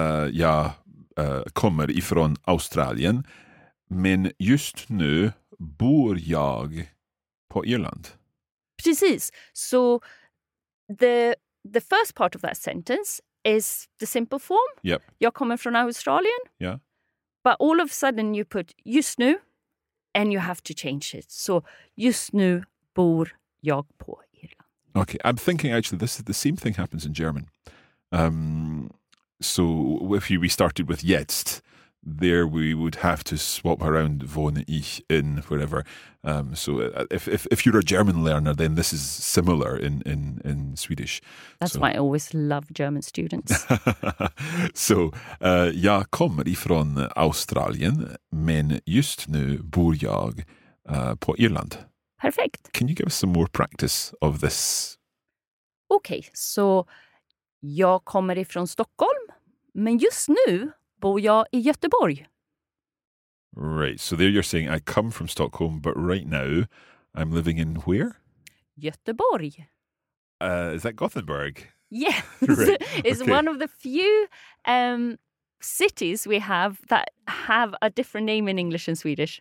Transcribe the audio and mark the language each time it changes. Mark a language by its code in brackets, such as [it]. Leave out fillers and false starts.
[sv] Jag kommer ifrån Australien, men just nu bor jag på Irland. Precis. [en] So the first part of that sentence is the simple form. Yep. [sv] Jag kommer från Australien. [en] Yeah. But all of a sudden you put just nu and you have to change it. So [sv] just nu bor jag på Irland. [en] Okay. I'm thinking actually this is the same thing happens in German. So if we started with jetzt, there we would have to swap around von ich in wherever. So if you're a German learner, then this is similar in Swedish. That's why I always love German students. [sv] So jag kommer ifrån Australien, men just nu bor jag på Irland. [en] Perfect. Can you give us some more practice of this? Okay, so [sv] jag kommer ifrån Stockholm, men just nu bor jag I Göteborg. [en] Right, so there you're saying I come from Stockholm, but right now I'm living in where? [sv] Göteborg. [en] Is that Gothenburg? Yes, right. It's okay. One of the few cities we have that have a different name in English and Swedish.